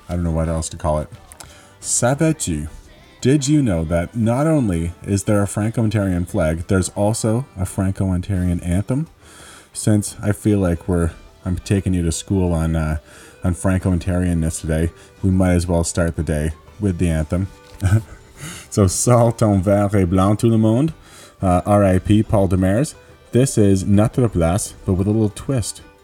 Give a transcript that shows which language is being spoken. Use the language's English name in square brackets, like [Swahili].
[English] I don't know what else to call it. [French] Savais-tu? [English] Did you know that not only is there a Franco-Ontarian flag, there's also a Franco-Ontarian anthem? Since I feel like I'm taking you to school on Franco-Ontarianness today, we might as well start the day with the anthem. [French] So, salut ton vert et blanc tout le monde, R.I.P. [English] Paul Demers. This is Notre Place, but with a little twist.